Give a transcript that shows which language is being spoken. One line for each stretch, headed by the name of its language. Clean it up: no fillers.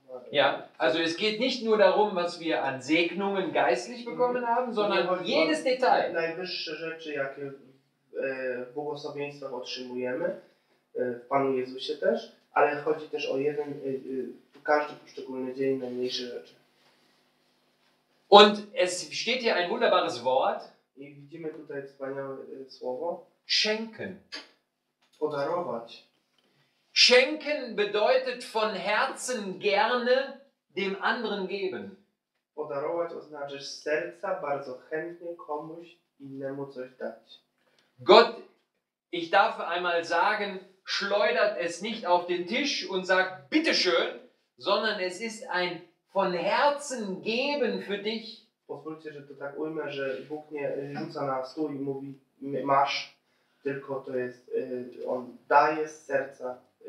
German: Ja, also es geht nicht nur darum, was wir an Segnungen geistlich bekommen haben, sondern jedes Detail.
Polish: Najwyższe rzeczy, jakie w błogosławieństwach otrzymujemy, w Panu Jezusie też, ale chodzi też o jeden, każdy poszczególny dzień, najmniejsze rzeczy.
German: Und es steht hier ein wunderbares Wort.
Polish: I widzimy tutaj wspaniałe słowo.
German: Schenken.
Polish: Podarować.
German: Schenken bedeutet von Herzen gerne dem anderen geben.
Polish: Podarować oznacza, z serca bardzo chętnie komuś innemu coś dać.
German: Gott, ich darf einmal sagen, schleudert es nicht auf den Tisch und sagt, bitteschön, sondern es ist ein von Herzen geben für dich.
Polish: Pozwólcie, że to tak ujmę, że Bóg nie rzuca na stół i mówi, masz, tylko to jest, on daje z serca.